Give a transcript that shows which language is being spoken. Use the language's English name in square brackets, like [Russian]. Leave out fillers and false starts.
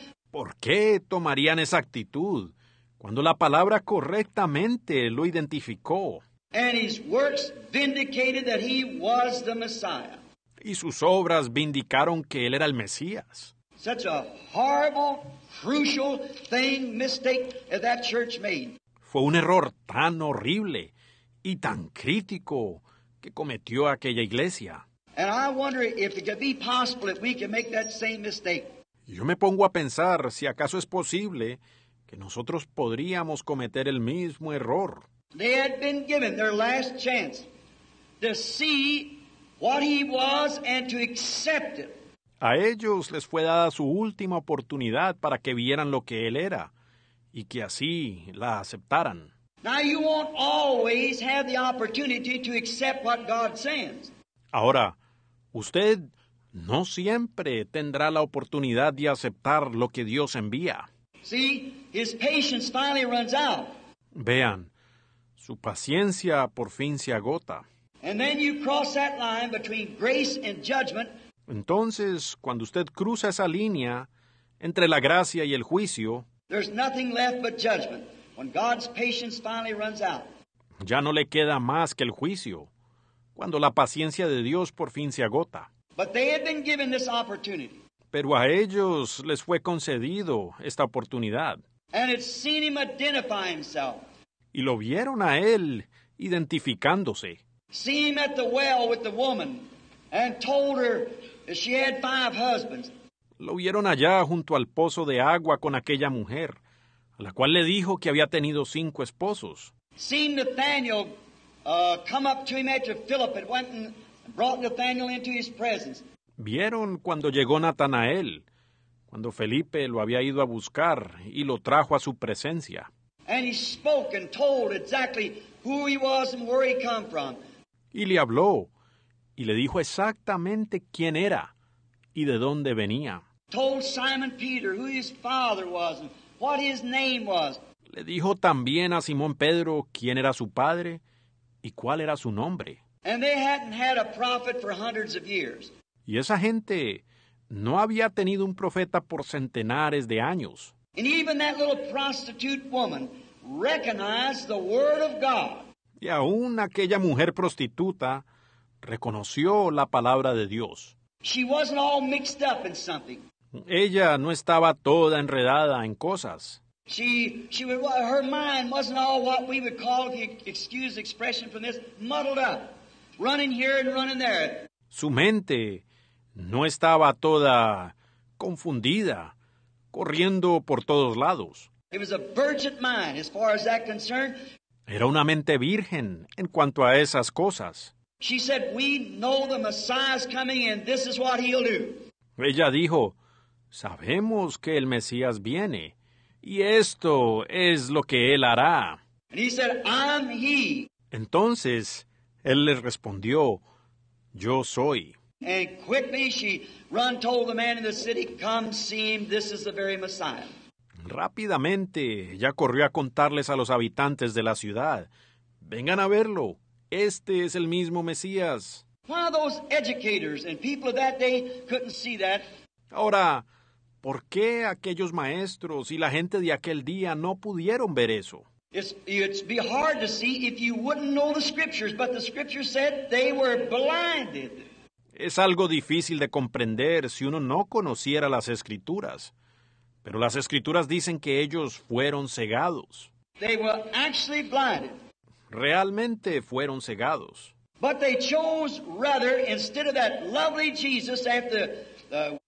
[Spanish] ¿Por qué tomarían esa actitud cuando la palabra correctamente lo identificó? [English] And his works vindicated that he was the Messiah. [Spanish] Y sus obras vindicaron que él era el Mesías. [English] Such a horrible, crucial thing, mistake that, that church made. [Spanish] Fue un error tan horrible y tan crítico que cometió aquella iglesia. [English] And I wonder if it could be possible if we can make that same mistake. [Spanish] Yo me pongo a pensar si acaso es posible que nosotros podríamos cometer el mismo error. [English] They had been given their last chance to see what he was and to accept it. [Spanish] A ellos les fue dada su última oportunidad para que vieran lo que él era y que así la aceptaran. [English] Now you won't always have the opportunity to accept what God sends. [Spanish] Ahora, usted no siempre tendrá la oportunidad de aceptar lo que Dios envía. [English] See, his patience finally runs out. [Spanish] Vean, su paciencia por fin se agota. [English] And then you cross that line between grace and judgment. [Spanish] Entonces, cuando usted cruza esa línea entre la gracia y el juicio, [English] there's nothing left but judgment when God's patience finally runs out. [Spanish] Ya no le queda más que el juicio cuando la paciencia de Dios por fin se agota. [English] But they had been given this opportunity. [Spanish] Pero a ellos les fue concedido esta oportunidad. [English] And it's seen him identify himself. [Spanish] Y lo vieron a él identificándose. [English] See him at the well with the woman and told her that she had 5 husbands. [Spanish] Lo vieron allá junto al pozo de agua con aquella mujer, a la cual le dijo que había tenido 5 esposos. [English] See Nathaniel come up to him after Philip had went and brought Nathaniel into his presence. [Spanish] Vieron cuando llegó Natanael, cuando Felipe lo había ido a buscar y lo trajo a su presencia. [English] And he spoke and told exactly who he was and where he come from. [Spanish] Y le habló y le dijo exactamente quién era y de dónde venía. [English] Told Simon Peter who his father was and what his name was. [Spanish] Le dijo también a Simón Pedro quién era su padre y cuál era su nombre. [English] And they hadn't had a prophet for hundreds of years. [Spanish] Y esa gente no había tenido un profeta por centenares de años. [English] And even that little prostitute woman recognized the word of God. [Spanish] Y aún aquella mujer prostituta reconoció la palabra de Dios. [English] She wasn't all mixed up in something. [Spanish] Ella no estaba toda enredada en cosas. [English] Her mind wasn't all what we would call, if you excuse the expression from this, muddled up, running here and running there. [Spanish] Su mente no estaba toda confundida, corriendo por todos lados. [English] It was a virgin mind as far as that concerned. [Spanish] Era una mente virgen en cuanto a esas cosas. [English] She said, "We know the Messiah's coming, and this is what he'll do." [Spanish] Ella dijo, "Sabemos que el Mesías viene, y esto es lo que él hará." [English] And he said, "I'm he." [Spanish] Entonces, él le respondió, "Yo soy." [English] And quickly she run told the man in the city, "Come see him. This is the very Messiah." [Spanish] Rápidamente, ella corrió a contarles a los habitantes de la ciudad, "Vengan a verlo. Este es el mismo Mesías." [English] Why those educators and people of that day couldn't see that? [Spanish] Ahora, ¿por qué aquellos maestros y la gente de aquel día no pudieron ver eso? [English] It's be hard to see if you wouldn't know the scriptures, but the scriptures said they were blinded. [Spanish] Es algo difícil de comprender si uno no conociera las escrituras, pero las escrituras dicen que ellos fueron cegados. [English] They were actually blinded. [Spanish] Realmente fueron cegados. [English] But they chose rather, instead of that lovely Jesus, after the...